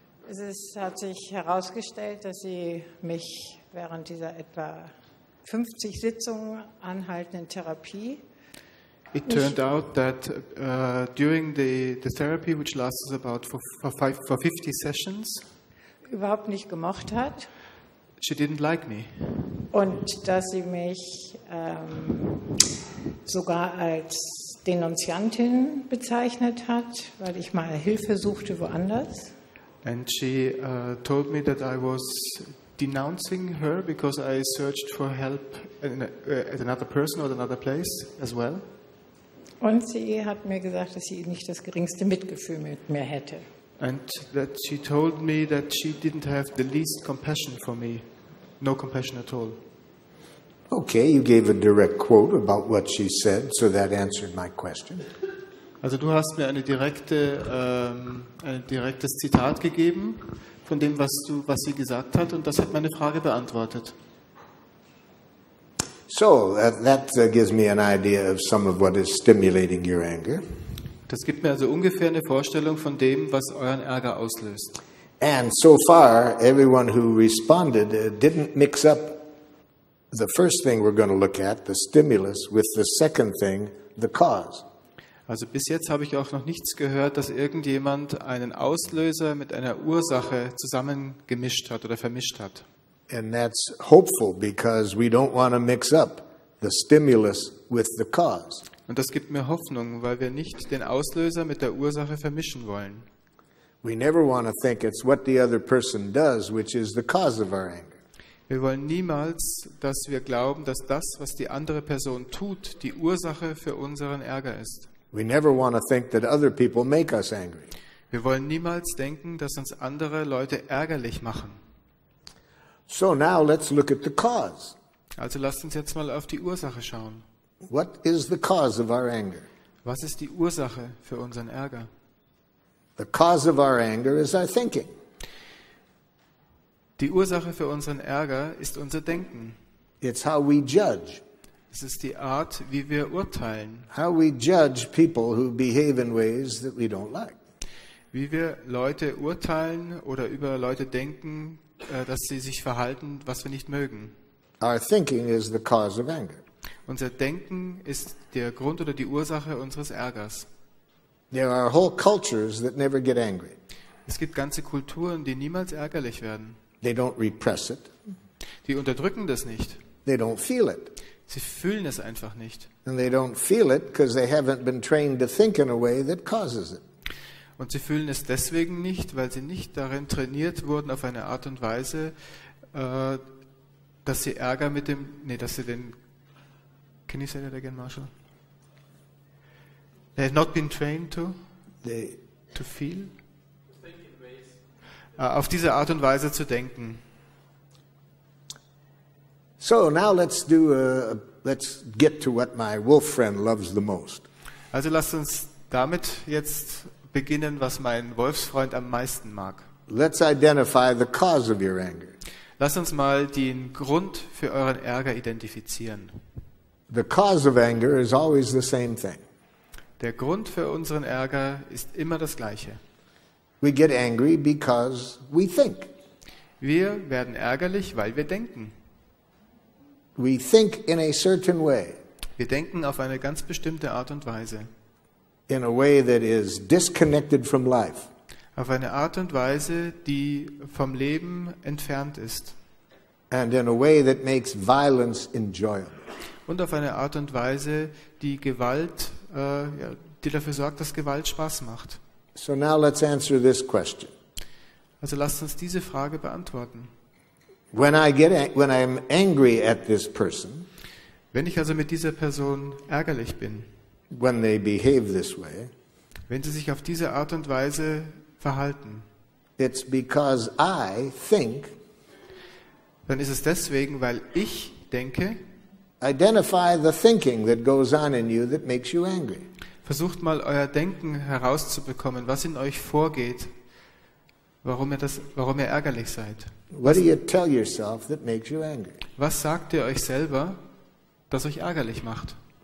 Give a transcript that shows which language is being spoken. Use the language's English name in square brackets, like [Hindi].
[German] Es hat sich herausgestellt, dass sie mich während dieser etwa 50 Sitzungen anhaltenden Therapie. [English] It turned out that during the therapy, which lasts about for 50 sessions, [German] überhaupt nicht gemocht hat. [English] She didn't like me. [German] Und dass sie mich sogar als Denunziantin bezeichnet hat, weil ich mal Hilfe suchte woanders. [English] And she told me that I was denouncing her because I searched for help at another person or another place as well. [German] Und sie hat mir gesagt, dass sie nicht das geringste Mitgefühl mit mir hätte. [English] And that she told me that she didn't have the least compassion for me. No compassion at all. Okay, you gave a direct quote about what she said, so that answered my question. [German] Also, du hast mir ein direktes Zitat gegeben von dem, was sie gesagt hat, und das hat meine Frage beantwortet. [English] So, that gives me an idea of some of what is stimulating your anger. [German] Das gibt mir also ungefähr eine Vorstellung von dem, was euren Ärger auslöst. [English] And so far, everyone who responded didn't mix up the first thing we're going to look at, the stimulus, with the second thing, the cause. [German] Also bis jetzt habe ich auch noch nichts gehört, dass irgendjemand einen Auslöser mit einer Ursache zusammengemischt hat oder vermischt hat. [English] And that's hopeful because we don't want to mix up the stimulus with the cause. [German] Und das gibt mir Hoffnung, weil wir nicht den Auslöser mit der Ursache vermischen wollen. [English] We never want to think it's what the other person does, which is the cause of our anger. [German] Wir wollen niemals, dass wir glauben, dass das, was die andere Person tut, die Ursache für unseren Ärger ist. [English] We never want to think that other people make us angry. [German] Wir wollen niemals denken, dass uns andere Leute ärgerlich machen. [English] So now let's look at the cause. [German] Also lasst uns jetzt mal auf die Ursache schauen. [English] What is the cause of our anger? [German] Was ist die Ursache für unseren Ärger? [English] The cause of our anger is our thinking. [German] Die Ursache für unseren Ärger ist unser Denken. [English] It's how we judge. [German] Es ist die Art, wie wir urteilen. [English] How we judge people who behave in ways that we don't like. [German] Wie wir Leute urteilen oder über Leute denken, dass sie sich verhalten, was wir nicht mögen. [English] Our thinking is the cause of anger. [German] Unser Denken ist der Grund oder die Ursache unseres Ärgers. [English] There are whole cultures that never get angry. [German] Es gibt ganze Kulturen, die niemals ärgerlich werden. [English] They don't repress it. [German] Die unterdrücken das nicht. [English] They don't feel it. [German] Sie fühlen es einfach nicht. [English] And they don't feel it because they haven't been trained to think in a way that causes it. [German] Und sie fühlen es deswegen nicht, weil sie nicht darin trainiert wurden auf eine Art und Weise, dass sie Ärger mit dem, nee, dass sie den, [English] can you say that again, Marshall? They have not been trained to feel? [German] Auf diese Art und Weise zu denken. [English] So, now let's get to what my wolf friend loves the most. [German] Also lasst uns damit jetzt beginnen, was mein Wolfsfreund am meisten mag. [English] Let's identify the cause of your anger. [German] Lass uns mal den Grund für euren Ärger identifizieren. [English] The cause of anger is always the same thing. [German] Der Grund für unseren Ärger ist immer das gleiche. [English] We get angry because we think. [German] Wir werden ärgerlich, weil wir denken. [English] We think in a certain way. [German] Wir denken auf eine ganz bestimmte Art und Weise. [English] In a way that is disconnected from life. [German] Auf eine Art und Weise, die vom Leben entfernt ist. [English] And in a way that makes violence enjoyable. [German] Und auf eine Art und Weise, die Gewalt, die dafür sorgt, dass Gewalt Spaß macht. [English] So now let's answer this question. [German] Also lasst uns diese Frage beantworten. [English] When I'm angry at this person, [German] wenn ich also mit dieser Person ärgerlich bin, [English] when they behave this way, [German] wenn sie sich auf diese Art und Weise verhalten, [English] it's because I think, [German] dann ist es deswegen, weil ich denke. [English] Identify the thinking that goes on in you that makes you angry. [German] Versucht mal euer Denken herauszubekommen, was in euch vorgeht, warum ihr ärgerlich seid. [English] What do you tell yourself that makes you angry? [German] Was sagt ihr euch selber, das euch ärgerlich macht?